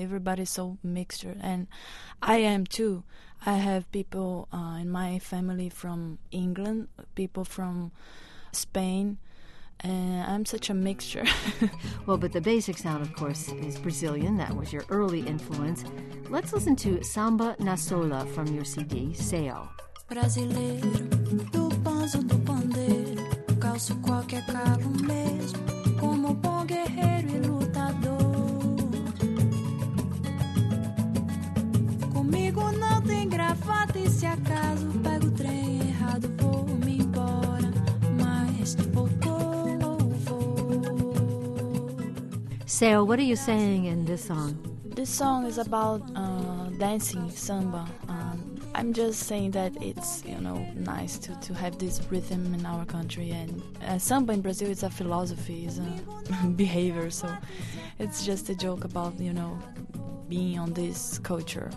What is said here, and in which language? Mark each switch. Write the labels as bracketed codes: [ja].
[en] Everybody's so mixture, and I am too. I have people in my family from England, people from Spain, and I'm such a mixture. Well, but the basic sound, of course, is Brazilian. That was your early influence. Let's listen to Samba na Sola from your CD, Céu. [pt] Brasileiro, do banzo do pandeiro, calço qualquer calo mesmo, como bom guerreiro e lutador. Comigo não tem gravata e se acaso pego o trem errado, vou-me embora, mas Céu, [en] what are you saying in this song? This song is about dancing, samba. I'm just saying that it's, you know, nice to have this rhythm in our country. And samba in Brazil is a philosophy, is a behavior. So it's just a joke about, you know, being on this culture.